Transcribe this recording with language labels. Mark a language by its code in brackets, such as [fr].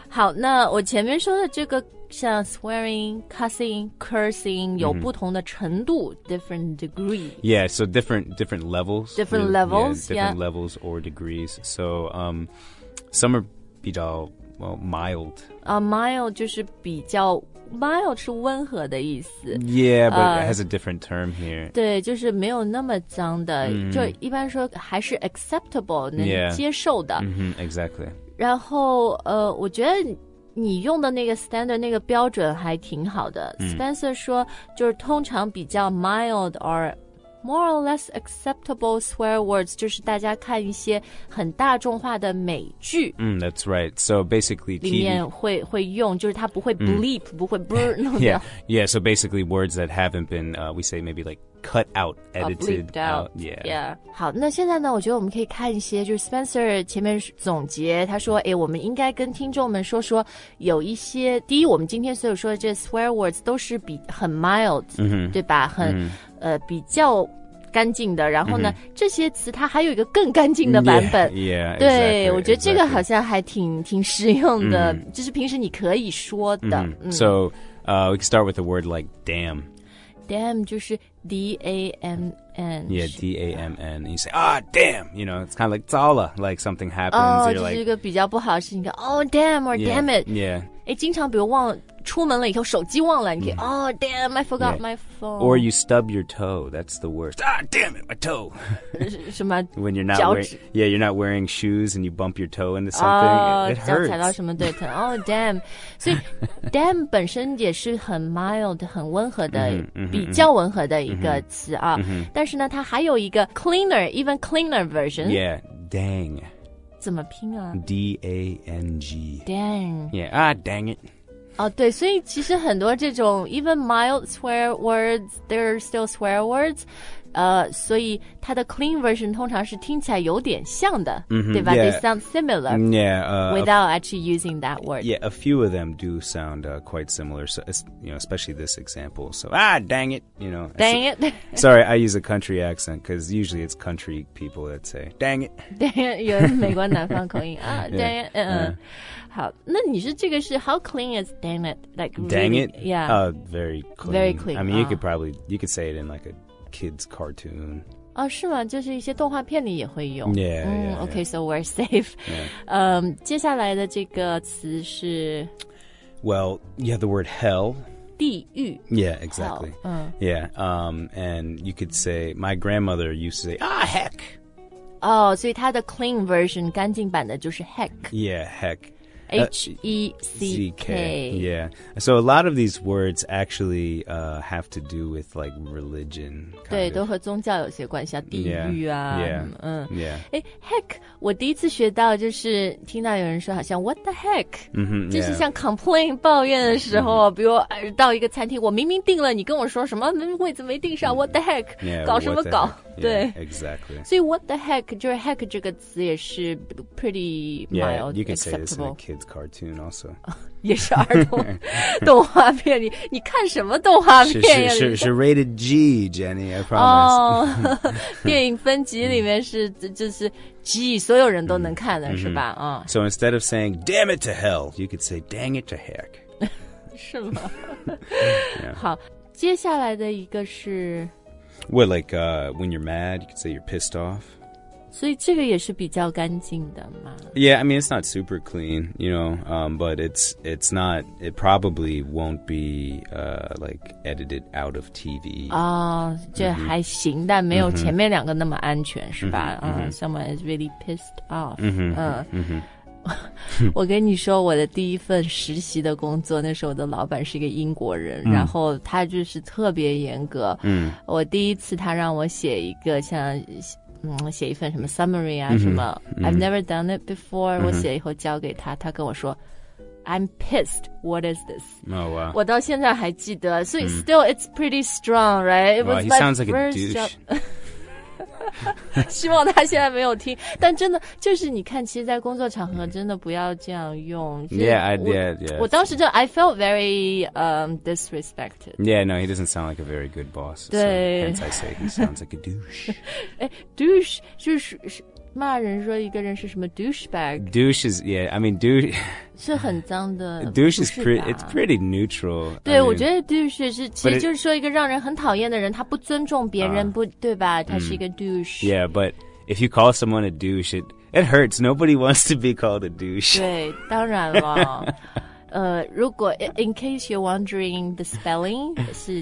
[zh] 好那我前面说的这个像 swearing, cussing, cursing 有不同的程度 [en] different degree. Yeah, so different levels. Different levels, yeah. Different levels or degrees. So, some are 比较 mild. [zh] Mild 就是比较 mild 是温和的意思。 [en] Yeah, but it has a different term here. [zh] 对，就是没有那么脏的、mm-hmm. 就一般说还是 acceptable, 能接受的。 [en] Yeah. Mm-hmm, exactly. [zh] 然后我觉得你用的那个 standard, 那个标准还挺好的。Mm-hmm. Spencer 说就是通常比较 [en] mild or more or less acceptable swear words, [zh] 就是大家看一些很大众化的美剧。 [en] Mm, that's right. So basically, TV... [zh] 里面会用，就是它不会 bleep,、mm. 不会 brr 弄的。 [en] Yeah, so basically words that haven't been,、we say maybe like cut out, edited out. Yeah. [zh] 好，那现在呢，我觉得我们可以看一些，就是 Spencer 前面总结，他说，哎，我们应该跟听众们说说有一些，第一，我们今天所有说的这 swear words 都是比很 mild,、 mm-hmm. 对吧？很、mm-hmm. 比较干净的，然后呢、mm-hmm. 这些词它还有一个更干净的版本 [en] yeah, yeah, [zh] 对、 [en] exactly, [zh] 我觉得这个好像还挺实用的、 mm-hmm. 就是平时你可以说的、 mm-hmm. [en] So we can start with a word like damn. [zh] Damn 就是 D-A-M-N. [en] Yeah, D-A-M-N. You say, ah, damn. You know, it's kind of like [zh] 糟了 [en] like something happens. Oh, you're [zh] 就是一个比较不好的事情 [en] Oh, damn or yeah, damn it. Yeah. 经常比如忘了出门了以后手机忘了你可以、mm-hmm. Oh damn I forgot、 yeah. my phone. Or you stub your toe. That's the worst. Ah damn it, my toe. [zh] 什么 [en] When you're not wearing, Yeah you're not wearing shoes and you bump your toe into something、it hurts. [zh] 脚踩到什么对疼 [en] Oh damn. [zh] 所以 damn 本身也是很 mild 很温和的 比较温和的一个词啊。但是呢它还有一个 [en] cleaner even cleaner version. Yeah dang. [zh] 怎么拼啊 [en] D-A-N-G. Dang. Yeah ah dang it. [zh] 哦、oh, ，对，所以其实很多这种 [en] even mild swear words, [zh] they're still swear words, 所以它的 clean version 通常是听起来有点像的、 mm-hmm, 对吧、 [en] yeah. They sound similar yeah,、 without actually using that word. Yeah, a few of them do sound、quite similar, so, you know, especially this example. So, ah, dang it, you know. Dang it. Sorry, I use a country accent because usually it's country people that say, dang it. [zh] Dang it, 有美国南方口音啊 dang it.、好，那你是这个是 [en] how clean is dang it like really, dang it yeah very clean very clean. I mean you could probably you could say it in like a kid's cartoon. [zh] 哦，是吗？就是一些动画片里也会用。 [en] Yeah, yeah, yeah. Okay, so we're safe. [zh] 接下来的这个词是 [en] well, you have the word hell. [zh] 地狱。 [en] Yeah, exactly. Hell, yeah. And you could say my grandmother used to say ah heck. [zh] 哦，所以它的 clean version 干净版的就是 heck. [en] Yeah, heck. H-E-C-K. Yeah. So a lot of these words actually、have to do with like religion. [zh] 对都和宗教有些关系啊地狱啊。 [en] Yeah. Yeah. [zh] Heck, 我第一次学到就是听到有人说好像 [en] what the heck?、 Mm-hmm, [zh] 就是像 complain 抱怨的时候、 mm-hmm. 比如到一个餐厅我明明订了你跟我说什么位子没订上、mm-hmm. [en] what the heck? Yeah, [zh] 搞什么搞 [en] yeah, [zh] 对。 [en] Exactly. [zh] 所以 what the heck, 就是 heck 这个词也是 [en] pretty mild, yeah, you can acceptable. Say this in a kid's cartoon also. [zh] 也是儿童动画片你看什么动画片呀 [en] 是 rated G, Jenny, I promise.、 [zh] Oh, 电影分级里面是就是 G, 所有人都能看的、mm-hmm. 是吧、 [en] So instead of saying, damn it to hell, you could say, dang it to heck. [zh] 是吗、 [en] yeah. [zh] 好接下来的一个是 [en] What, like、when you're mad, you could say you're pissed off. [zh] 所以这个也是比较干净的嘛。 [en] Yeah, I mean, it's not super clean, you know,、but it's not, it probably won't be,、like, edited out of TV. [zh] 哦、这还行、 mm-hmm. 但没有前面两个那么安全、 mm-hmm. 是吧、 mm-hmm. [en] Someone is really pissed off. Mm-hmm. Mm-hmm. [zh] 我跟你说我的第一份实习的工作那时候我的老板是一个英国人、 mm-hmm. 然后他就是特别严格。嗯、 mm-hmm. 我第一次他让我写一个像写一份什么 summary 啊、 mm-hmm. 什么、 mm-hmm. [en] I've never done it before、 mm-hmm. [zh] 我写以后交给他他跟我说 [en] I'm pissed What is this?、 Oh, wow. 我到现在还记得所以、mm-hmm. still it's pretty strong right? It was wow, he sounds like a douche [zh] 希望他现在没有听但真的就是你看其实在工作场合真的不要这样用 [en] Yeah, I did, yeah [zh] 我当时就 [en] I felt very、disrespected Yeah, no, he doesn't sound like a very good boss [zh] 对、 [en] so、Hence I say he sounds like a douche [zh] 哎 douche 就是骂人说一个人是什么 douchebag [en] Douche is, yeah, I mean douche [zh] 是很脏的 [en] Douche is pretty, it's pretty neutral [zh] 对 [en] I mean, [zh] 我觉得 douche 是其实就是说一个让人很讨厌的人他不尊重别人、不对吧他是一个 douche [en] Yeah, but if you call someone a douche, it hurts. Nobody wants to be called a douche. [zh] 对，当然了。如果 [en] in case you're wondering, the spelling is